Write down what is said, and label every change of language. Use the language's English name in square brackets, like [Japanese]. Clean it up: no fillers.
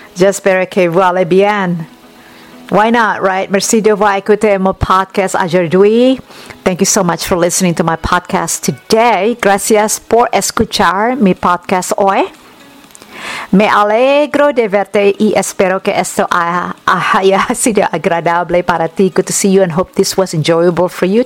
[French] J'espère que vous allez bien. [English] Why not, right? [French] Merci de vous écouter mon podcast aujourd'hui. [English] Thank you so much for listening to my podcast today. [Spanish] Gracias por escuchar mi podcast hoy. Me alegro de verte y espero que esto haya sido agradable para ti. [English] Good to see you and hope this was enjoyable for you.